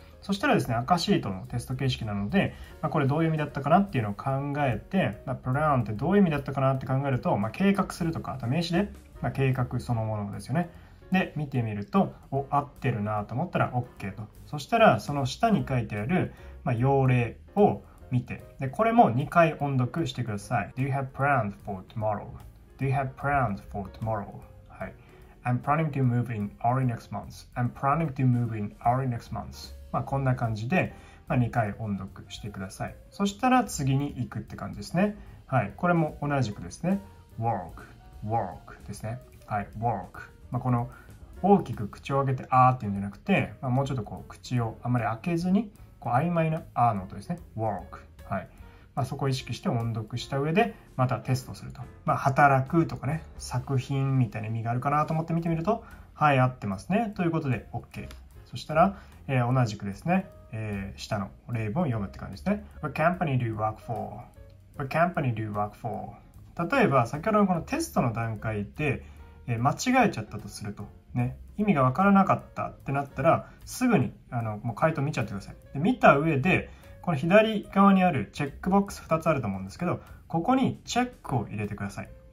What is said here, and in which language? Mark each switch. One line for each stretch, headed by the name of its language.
Japanese: そしたらですね、赤シートのテスト形式なので、これどういう意味だったかなっていうのを考えて、プラウンってどういう意味だったかなって考えると、計画するとか、あと名詞で、計画そのものですよね。で、見てみると、お、合ってるなと思ったら OK と。そしたら、その下に書いてある、用例を見て、でこれも2回音読してください。
English: Do you have plans for tomorrow? Do you have plans for tomorrow?
Japanese: はい。
English: I'm planning to move in early next month. I'm planning to move in early next month.
Japanese: まあこんな感じで、2回音読してください。そしたら次に行くって感じですね。はい。これも同じくですね。 Walk, walk ですね。はい。 Walk、この大きく口を開けてあーっていうんじゃなくて、まあ、もうちょっとこう口をあまり開けずにこう曖昧なあーの音ですね。 work、はい、まあ、そこを意識して音読した上でまたテストすると、まあ、働くとかね、作品みたいな意味があるかなと思って見てみると、はい、合ってますねということで OK。そしたら、同じくですね、下の例文を読むって感じですね。
English: What company do you work for? What company do you work for?
Japanese: 例えば先ほどのこのテストの段階で、間違えちゃったとするとね、意味が分からなかったってなったらすぐにもう回答見ちゃってください。で、見た上でこの左側にあるチェックボックス2つあると思うんですけど、ここにチェックを入れてください。